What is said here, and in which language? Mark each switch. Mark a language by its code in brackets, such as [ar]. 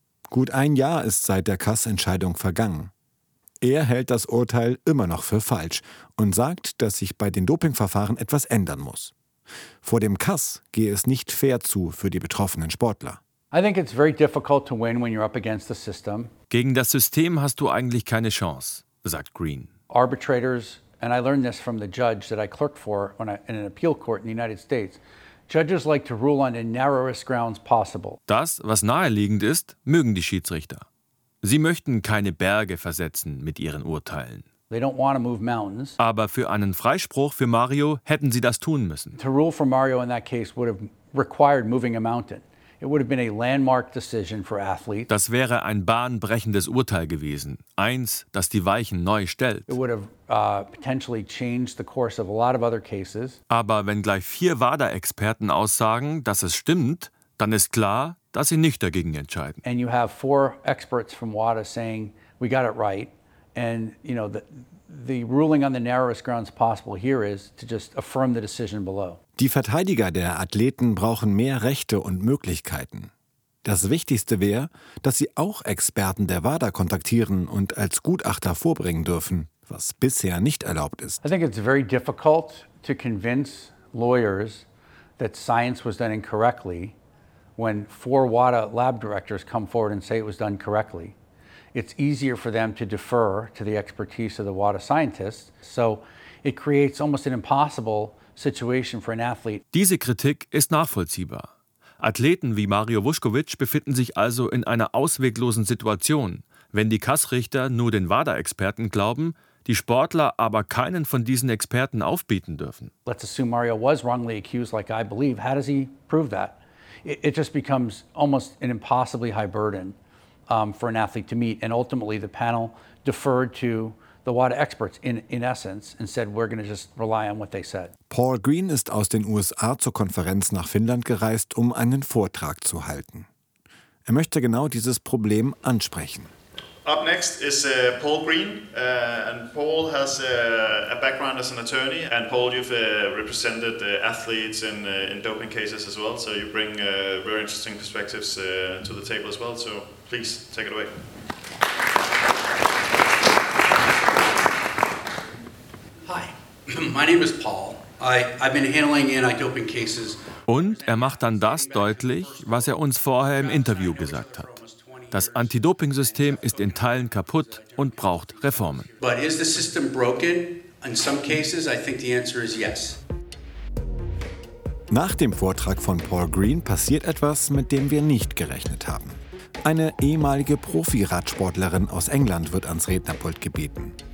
[de] Gut ein Jahr ist seit der CAS-Entscheidung vergangen. Er hält das Urteil immer noch für falsch und sagt, dass sich bei den Dopingverfahren etwas ändern muss. Vor dem CAS gehe es nicht fair zu für die betroffenen Sportler. Gegen das System hast du eigentlich keine Chance, sagt Green. [en] Arbitrators, and I learned this from the judge that I clerked for in an appeal court in the United States. Judges like to rule on the narrowest grounds possible. [de] Das, was naheliegend ist, mögen die Schiedsrichter. Sie möchten keine Berge versetzen mit ihren Urteilen. [en] They don't want to move mountains. [de] Aber für einen Freispruch für Mario hätten sie das tun müssen. [en] To rule for Mario in that case would have required moving a mountain. It would have been a landmark decision for athletes. [de] Das wäre ein bahnbrechendes Urteil gewesen, eins, das die Weichen neu stellt. [en] It would have potentially changed the course of a lot of other cases. [de] Aber wenn gleich vier WADA-Experten aussagen, dass es stimmt, dann ist klar, dass sie nicht dagegen entscheiden. [en] And you have four experts from WADA saying, we got it right. And you know, the ruling on the narrowest grounds possible here is to just affirm the decision below. [de] Die Verteidiger der Athleten brauchen mehr Rechte und Möglichkeiten. Das Wichtigste wäre, dass sie auch Experten der WADA kontaktieren und als Gutachter vorbringen dürfen, was bisher nicht erlaubt ist. [en] I think it's very difficult to convince lawyers that science was done incorrectly when four WADA lab directors come forward and say it was done correctly. It's easier for them to defer to the expertise of the WADA scientists. So it creates almost an impossible situation for an athlete. [de] Diese Kritik ist nachvollziehbar. Athleten wie Mario Vuskovic befinden sich also in einer ausweglosen Situation, wenn die CAS-Richter nur den WADA-Experten glauben, die Sportler aber keinen von diesen Experten aufbieten dürfen. [en] Let's assume Mario was wrongly accused, like I believe. How does he prove that? It just becomes almost an impossibly high burden for an athlete to meet, and ultimately the panel deferred to the WADA experts in essence and said we're going to just rely on what they said. [de] Paul Green ist aus den USA zur Konferenz nach Finnland gereist, um einen Vortrag zu halten. Er möchte genau dieses Problem ansprechen. [en] Up next is Paul Green, and Paul has a background as an attorney, and Paul, you've represented athletes in doping cases as well, so you bring very interesting perspectives to the table as well, so please take it away. Hi, my name is Paul. I've been handling anti-doping cases. [de] Und er macht dann das deutlich, was er uns vorher im Interview gesagt hat. Das Anti-Doping-System ist in Teilen kaputt und braucht Reformen. [en] But is the system broken? In some cases, I think the answer is yes. [de] Nach dem Vortrag von Paul Green passiert etwas, mit dem wir nicht gerechnet haben. Eine ehemalige Profi-Radsportlerin aus England wird ans Rednerpult gebeten.